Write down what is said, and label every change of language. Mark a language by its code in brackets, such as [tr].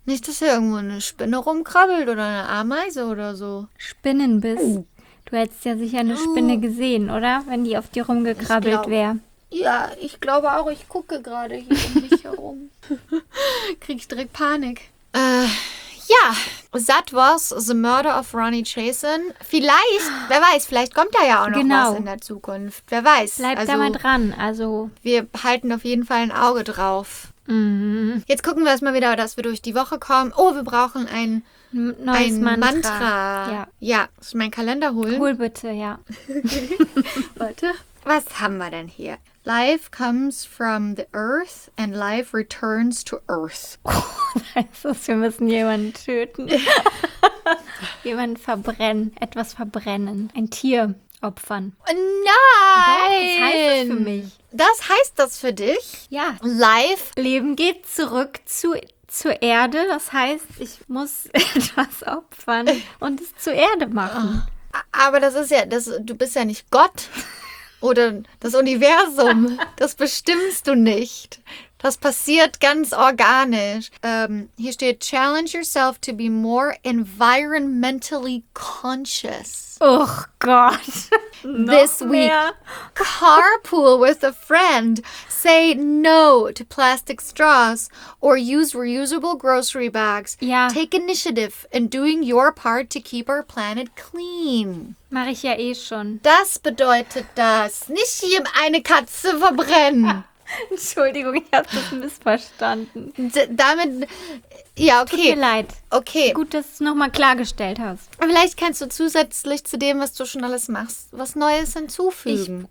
[de] Nicht, dass hier irgendwo eine Spinne rumkrabbelt oder eine Ameise oder so. Spinnenbiss? Du hättest ja sicher eine Spinne gesehen, oder? Wenn die auf dir rumgekrabbelt wäre. Ja, ich glaube auch. Ich gucke gerade hier um mich herum. Kriege ich direkt Panik. [en] Ja, that was the murder of Ronnie Chasen. [de] Vielleicht, wer weiß, vielleicht kommt da ja auch noch was in der Zukunft. Wer weiß. Bleibt also, da mal dran. Also. Wir halten auf jeden Fall ein Auge drauf. Mhm. Jetzt gucken wir erstmal wieder, dass wir durch die Woche kommen. Oh, wir brauchen ein... Neues Mantra. Ja. Soll ich meinen Kalender holen? Hol bitte, ja. Warte. Was haben wir denn hier? [en] Life comes from the earth and life returns to earth. [de] Heißt das, wir müssen jemanden töten? Jemanden verbrennen, etwas verbrennen, ein Tier opfern. Nein! Was heißt das für mich? Das heißt das für dich? Ja. [en] Life. [de] Leben geht zurück zur Erde, das heißt, ich muss etwas opfern und es zur Erde machen. Aber das ist ja, du bist ja nicht Gott oder das Universum, das bestimmst du nicht. Das passiert ganz organisch. Hier steht, [en] challenge yourself to be more environmentally conscious. [de] Oh Gott. [en] This week, carpool with a friend. Say no to plastic straws or use reusable grocery bags. Yeah. Take initiative in doing your part to keep our planet clean. [de] Mache ich ja eh schon. Das bedeutet das. Nicht hier eine Katze verbrennen. Entschuldigung, ich habe das missverstanden. Damit, ja, okay. Tut mir leid. Okay. Gut, dass du es nochmal klargestellt hast. Vielleicht kannst du zusätzlich zu dem, was du schon alles machst, was Neues hinzufügen.